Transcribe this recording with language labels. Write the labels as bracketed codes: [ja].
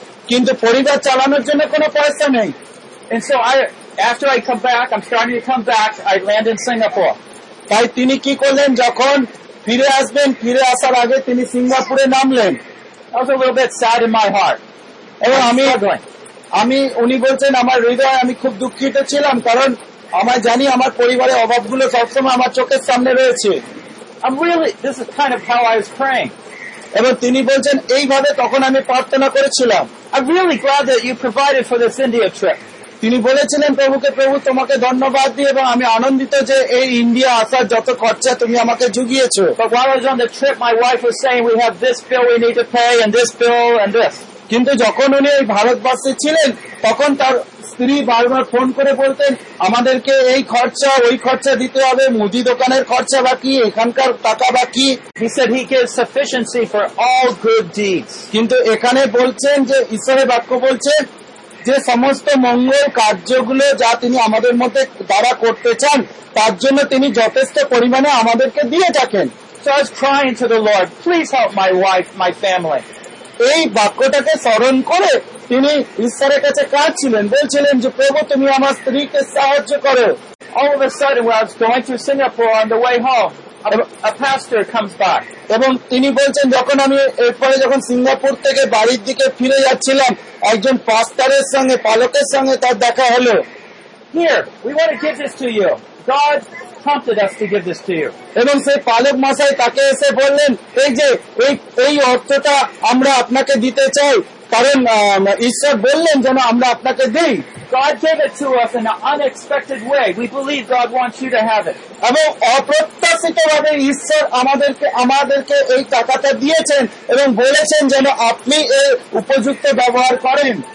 [bn] কিন্তু পরিবার চালানোর জন্য কোনো পয়সা নেই. [en] And so after I come back, I land in Singapore. [bn] তাই তিনি কি করলেন যখন ফিরে আসবেন ফিরে আসার আগে তিনি সিঙ্গাপুরে নামলেন. [en] Also a little bit sad in my heart. [bn] এবং আমি উনি বলছেন আমার হৃদয়ে আমি খুব দুঃখিত ছিলাম কারণ আমার জানি আমার পরিবারের অভাবগুলো সবসময় আমার চোখের সামনে রয়েছে. [en] I'm really, this is kind of how I was praying. [bn] এবং তিনি বলছেন এইভাবে তখন আমি প্রার্থনা করেছিলাম. [en] I'm really glad that you provided for this India trip. [bn] তিনি বলেছিলেন প্রভুকে প্রভু তোমাকে ধন্যবাদ দিই এবং আমি আনন্দিত যে এই ইন্ডিয়া আসার যত খরচা তুমি আমাকে জুগিয়েছো. [en] But while I was on the trip, my wife was saying we have this bill we need to pay and this bill and this. [bn] কিন্তু যখন উনি এই ভারতবর্ষে ছিলেন তখন তার স্ত্রী বারবার ফোন করে বলতেন আমাদেরকে এই খরচা ওই খরচা দিতে হবে মুদি দোকানের খরচা বাকি এখানকার টাকা বাকি. [en] He said he gives sufficiency for all good deeds. [bn] কিন্তু এখানে বলছেন যে ঈশ্বরের বাক্য বলছে যে সমস্ত মঙ্গল কার্যগুলো যা তিনি আমাদের মধ্যে দ্বারা করতে চান তার জন্য তিনি যথেষ্ট পরিমাণে আমাদেরকে দিয়ে থাকেন. [en] So I was crying to the Lord, please help my wife, my family. [bn] এই বাক্যটাকে স্মরণ করে তিনি ঈশ্বরের কাছে কাঁদছিলেন বলছিলেন যে প্রভু তুমি আমার স্ত্রীকে সাহায্য করো. [en] All of a sudden, when I was going to Singapore on the way home, a pastor comes by. [bn] এবং তিনি বলছেন যখন আমি এরপরে যখন সিঙ্গাপুর থেকে বাড়ির দিকে ফিরে যাচ্ছিলাম একজন পাস্টারের সঙ্গে পালকের সঙ্গে তার দেখা হলো. [en] Here, we want to give this to you. God prompted us to give this to you. [bn] এবং সেই পালক মশাই তাকে এসে বললেন এই যে এই অর্থটা আমরা আপনাকে দিতে চাই কারণ ঈশ্বর বললেন যেন আমরা আপনাকে দিই. [en] God gave it to us in an unexpected way. We believe God wants you to have it. [bn] এবং অপ্রত্যাশিতভাবে ঈশ্বর আমাদেরকে এই টাকাটা দিয়েছেন এবং বলেছেন যেন আপনি এর উপযুক্ত ব্যবহার করেন.